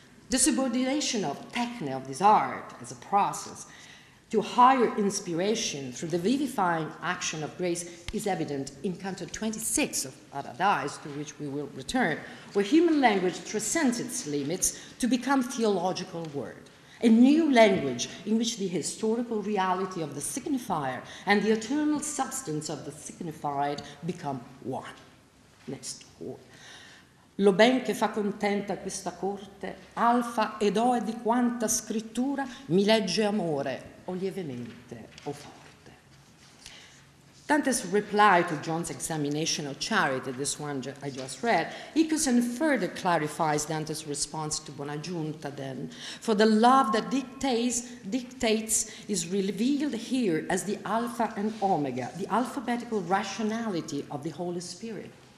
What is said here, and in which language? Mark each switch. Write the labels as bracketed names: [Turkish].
[English] The subordination of techne, of this art, as a process, to higher inspiration through the vivifying action of grace is evident in Canto 26 of Paradise, to which we will return, where human language transcends its limits to become theological word, a new language in which the historical reality of the signifier and the eternal substance of the signified become one. Next quote. [Italian] Lo ben che fa contenta questa corte, alfa ed oe di quanta scrittura mi legge amore, o lievemente, o forte. [English] Dante's reply to John's examination of charity, this one I just read, echoes and further clarifies Dante's response to Buonaggiunta then, for the love that dictates is revealed here as the alpha and omega, the alphabetical rationality of the Holy Spirit.